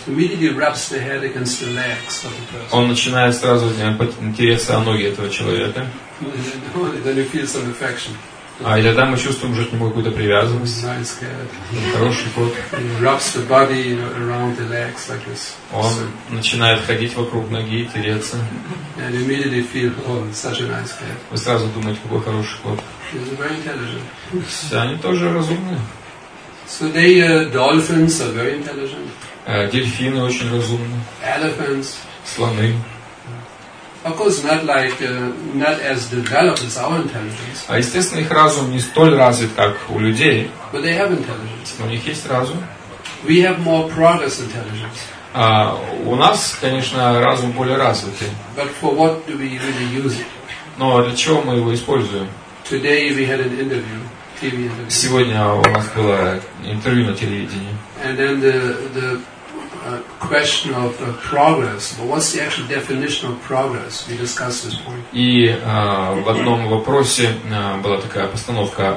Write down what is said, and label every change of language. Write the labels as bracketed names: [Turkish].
[English] Immediately rubs the head against the legs of the person. [Russian] Он начинает сразу тереться о ноги этого человека. [English] Then you feel some affection. [Russian] А иногда мы чувствуем уже к нему какую-то привязанность. [English] Nice cat. [Russian] Хороший кот. [English] He rubs the body around the legs like this. [Russian] Он начинает ходить вокруг ноги и тереться. [English] And immediately feel, oh, such a nice cat. [Russian] Вы сразу думаете, какой хороший кот. [English] He's very intelligent. [Russian] Все они тоже разумные. [English] So they dolphins are very intelligent. [Russian] Дельфины очень разумны. [English] Elephants. [Russian] Слоны. [English] Of course, not like not as developed as our intelligence. [Russian] А естественно, их разум не столь развит, как у людей. [English] But they have intelligence. [Russian] Но у них есть разум. [English] We have more progress intelligence. [Russian] У нас, конечно, разум более развитый. [English] But for what do we really use it? [Russian] Но для чего мы его используем? [English] Today we had an interview, TV interview. [Russian] Сегодня у нас было интервью на телевидении. [English] And then the question of progress. But what's the actual definition of progress? We discussed this point. [Russian] И в одном вопросе была такая постановка.